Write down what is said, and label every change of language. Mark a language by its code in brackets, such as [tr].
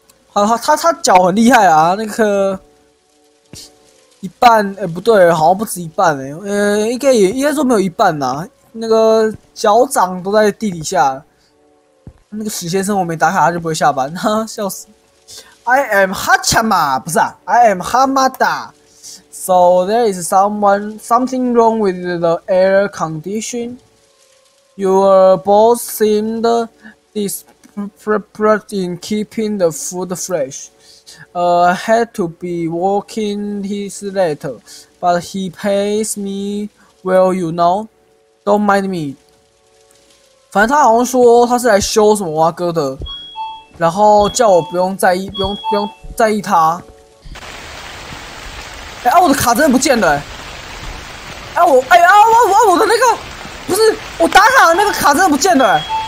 [zh] 他脚很厉害啊，那个一半，哎、欸，不对，好像不止一半哎、欸，应该说没有一半啊，那个脚掌都在地底下。那个史先生，我没打卡他就不会下班，哈，笑死。 [en] I am Hachama， [zh] 不是啊 [en] ，I am Hamada。 So there is something wrong with the air condition. Your boss seemed disinterested in keeping the food fresh. Had to be working his late, but he pays me well, you know. Don't mind me. [zh] 反正他好像说他是来修什么蛙哥的，然后叫我不用在意，不用在意他。哎、欸、啊，我的卡真的不见了、欸！哎、啊、我哎、欸、啊我我我的那个不是我打卡的那个卡真的不见了、欸。